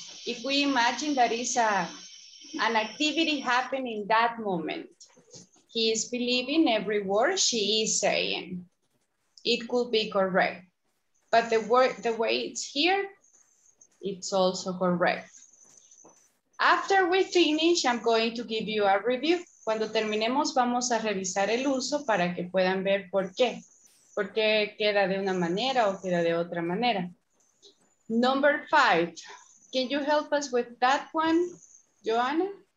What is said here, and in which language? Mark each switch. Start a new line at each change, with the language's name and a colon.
English: If we imagine that is an activity happening in that moment, he is believing every word she is saying. It could be correct. But the way it's here, it's also correct. After we finish, I'm going to give you a review.
Spanish: Cuando terminemos, vamos a revisar el uso para que puedan ver por qué. Por qué queda de una manera o queda de otra manera.
English: Number five. Can you help us with that one, Joanna?